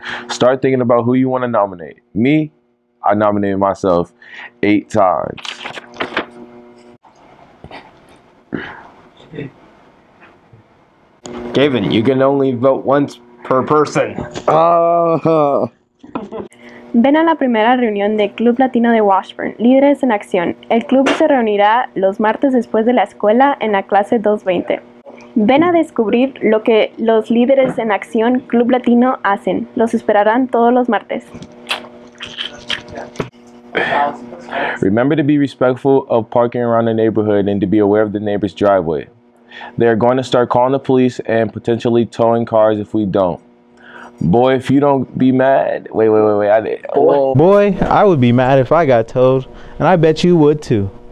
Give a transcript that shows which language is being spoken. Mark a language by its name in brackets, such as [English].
[English] Start thinking about who you want to nominate. Me, I nominated myself 8 times. Gavin, you can only vote once per person. [Spanish] Ven a la primera reunión del Club Latino de Washburn, Líderes en Acción. El club se reunirá los martes después de la escuela en la clase 220. Ven a descubrir lo que los Líderes en Acción Club Latino hacen. Los esperarán todos los martes. [English] Remember to be respectful of parking around the neighborhood and to be aware of the neighbor's driveway. They are going to start calling the police and potentially towing cars if we don't. Boy, if you don't be mad. Wait. I would be mad if I got towed, and I bet you would too.